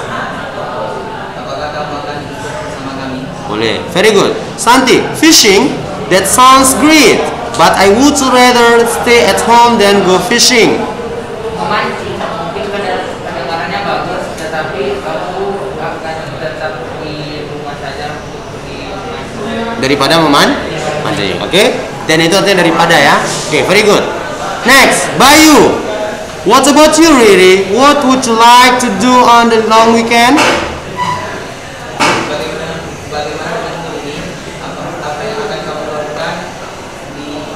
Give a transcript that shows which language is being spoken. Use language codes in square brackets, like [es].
[id] Apakah kamu akan sama kami? Boleh. [en] Very good. Santi, fishing? That sounds great. But I would rather stay at home than go fishing. [id] Memancing. Mungkin pendengarannya bagus, tetapi aku akan tetap di rumah saja untuk memancing. Daripada memancing. Oke? Okay? Dan itu artinya daripada ya. [en] Oke, okay, very good. Next, Bayu. What about you, Riri? What would you like to do on the long weekend? [id] Bagaimana minggu ini? Apa yang akan kamu lakukan di